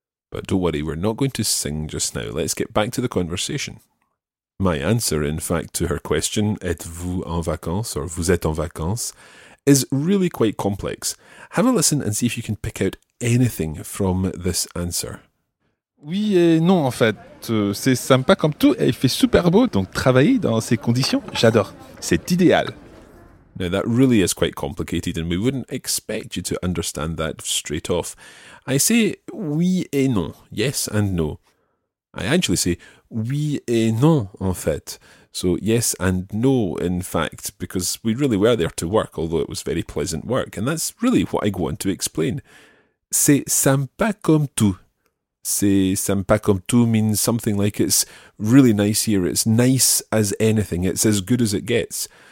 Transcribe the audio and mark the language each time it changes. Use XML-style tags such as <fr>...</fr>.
<en>But don't worry, we're not going to sing just now. Let's get back to the conversation. My answer, in fact, to her question,</en> <fr>êtes-vous en vacances</fr> <en>or</en> <fr>vous êtes en vacances,</fr> <en>is really quite complex. Have a listen and see if you can pick out anything from this answer.</en> <fr>Oui et non, en fait. C'est sympa comme tout et il fait super beau, donc travailler dans ces conditions, j'adore. C'est idéal.</fr> <en>Now, that really is quite complicated, and we wouldn't expect you to understand that straight off. I say</en> <fr>oui et non,</fr> <en>yes and no. I actually say oui et non, en fait. So, yes and no, in fact, because we really were there to work, although it was very pleasant work, and that's really what I go on to explain.</en> <fr>C'est sympa comme tout.</fr> <en>C'est sympa comme tout means something like it's really nice here, it's nice as anything, it's as good as it gets.</en>